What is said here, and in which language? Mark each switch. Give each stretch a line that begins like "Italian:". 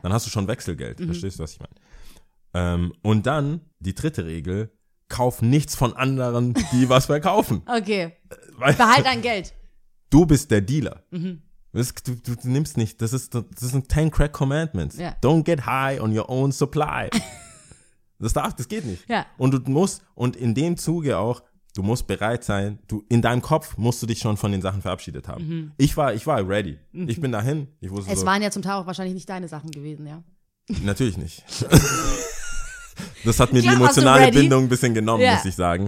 German: Dann hast du schon Wechselgeld, verstehst du, was ich meine? Und dann die 3. Regel, kauf nichts von anderen, die was verkaufen. Okay, behalt dein Geld. Du bist der Dealer. Mhm. Du nimmst nicht, das sind 10 Crack Commandments.
English: Yeah. Don't get high on your own supply.
German: Das geht nicht.
English: Yeah.
German: Und du musst, und in dem Zuge auch, du musst bereit sein, in deinem Kopf musst du dich schon von den Sachen verabschiedet haben. Mhm. Ich war ready. Mhm. Ich bin dahin. Ich wusste es so, waren ja zum Teil auch wahrscheinlich nicht deine Sachen gewesen, ja. Natürlich nicht. Das hat mir die emotionale Bindung ein bisschen genommen, muss ich sagen.